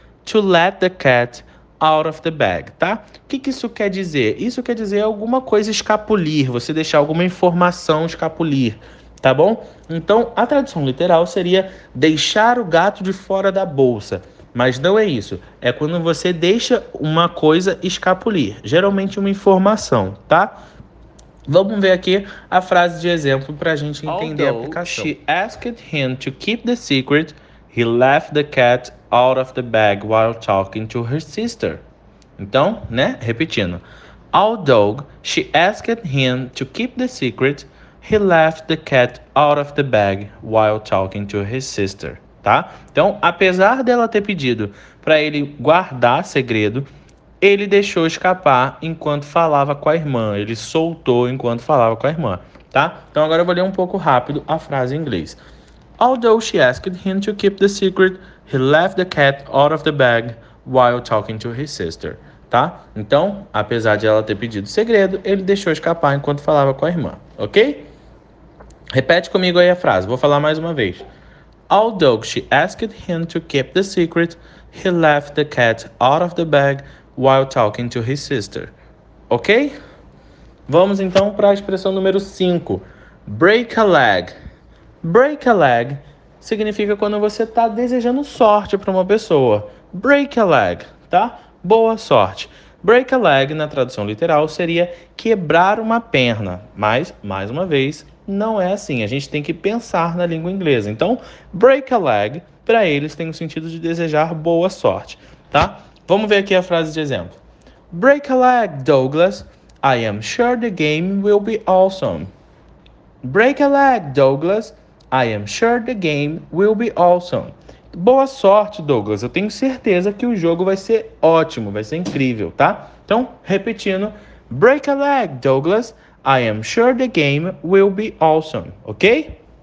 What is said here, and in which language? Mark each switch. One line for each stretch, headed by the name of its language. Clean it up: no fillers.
English: to let the cat out of the bag,
Portuguese: tá? O que, que isso quer dizer? Isso quer dizer alguma coisa escapulir, você deixar alguma informação escapulir, tá bom? Então, a tradução literal seria deixar o gato de fora da bolsa. Mas não é isso. É quando você deixa uma coisa escapulir, geralmente uma informação, tá? Vamos ver aqui a frase de exemplo para a gente entender a aplicação.
English: Although she asked him to keep the secret, he left the cat out of the bag while talking to her sister.
Portuguese: Então, né? Repetindo.
English: Although she asked him to keep the secret, he left the cat out of the bag while talking to his sister.
Portuguese: Tá? Então, apesar dela ter pedido para ele guardar segredo, ele deixou escapar enquanto falava com a irmã. Ele soltou enquanto falava com a irmã, tá? Então agora eu vou ler um pouco rápido a frase em inglês.
English: Although she asked him to keep the secret, he left the cat out of the bag while talking to his sister,
Portuguese: tá? Então, apesar de ela ter pedido segredo, ele deixou escapar enquanto falava com a irmã, ok? Repete comigo aí a frase, vou falar mais uma vez.
English: Although she asked him to keep the secret, he left the cat out of the bag while talking to his sister.
Portuguese: Ok? Vamos então para a expressão número 5.
English: Break a leg. Break a leg
Portuguese: significa quando você está desejando sorte para uma pessoa.
English: Break a leg,
Portuguese: tá? Boa sorte.
English: Break a leg,
Portuguese: na tradução literal, seria quebrar uma perna. Mas, mais uma vez, não é assim. A gente tem que pensar na língua inglesa. Então,
English: break a leg,
Portuguese: para eles, tem o sentido de desejar boa sorte, tá? Vamos ver aqui a frase de exemplo.
English: Break a leg, Douglas. I am sure the game will be awesome. Break a leg, Douglas. I am sure the game will be awesome.
Portuguese: Boa sorte, Douglas. Eu tenho certeza que o jogo vai ser ótimo, vai ser incrível, tá? Então, repetindo.
English: Break a leg, Douglas. I am sure the game will be awesome, ok?